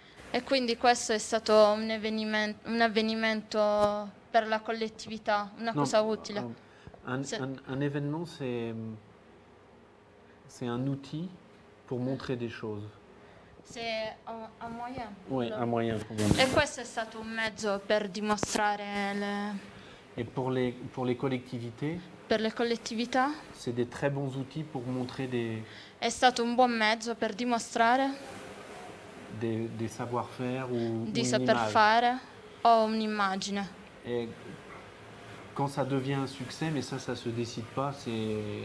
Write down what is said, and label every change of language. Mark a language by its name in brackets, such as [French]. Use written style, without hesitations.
[Italian] E quindi questo è stato un avvenimento per la collettività, una non, cosa utile. [French] Un événement, c'est un outil pour montrer des choses. C'est un moyen. Oui, un moyen. [Italian] E questo è stato un mezzo per dimostrare le... [French] Et pour les collectivités. [Italian] Per le collettività. [French] C'est des très bons outils pour montrer des... [Italian] È stato un buon mezzo per dimostrare... [French] Des savoir-faire ou [Italian] di saper fare o un'immagine. [French] Et quand ça devient un succès, mais ça, ça se décide pas, c'est...